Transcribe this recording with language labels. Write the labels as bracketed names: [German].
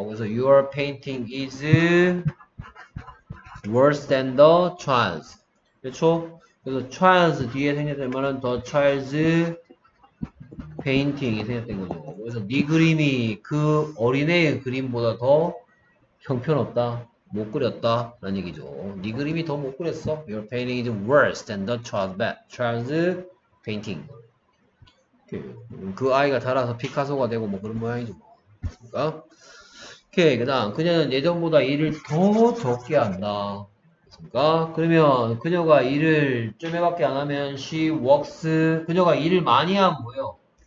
[Korean] 그래서 [English] Your painting is worse than the child's. [Korean] 그렇죠? 그래서 Charles 뒤에 생략되면은 더 Charles Painting이 생략된 거죠. 그래서 네 그림이 그 어린애의 그림보다 더 형편없다, 못 그렸다라는 얘기죠. 네 그림이 더못 그렸어. [English] Your painting is worse than the Charles Painting. [Korean] 그 아이가 자라서 피카소가 되고 뭐 그런 모양이죠. 그니까 오케이. 그다음 그녀는 예전보다 일을 더 적게 한다. 그니까 그러면 그녀가 일을 쪼매밖에 안 하면 [English] she works. [Korean] 그녀가 일을 많이 하면 뭐예요?